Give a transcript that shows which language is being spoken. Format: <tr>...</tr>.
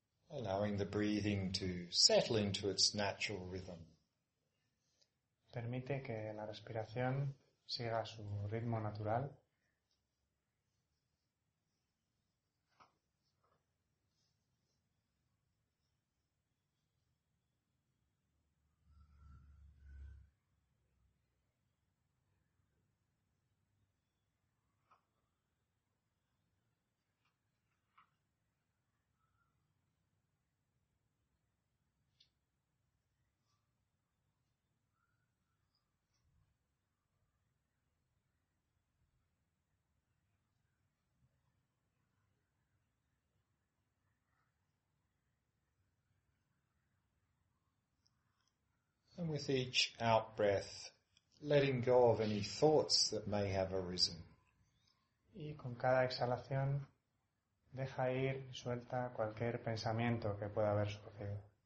<en>allowing the breathing to settle into its natural rhythm.</en> <es>Permite que la respiración siga su ritmo natural.</es> <en>And with each out-breath, letting go of any thoughts that may have arisen.</en> <es>Y con cada exhalación, deja ir, suelta cualquier pensamiento que pueda haber surgido.</es>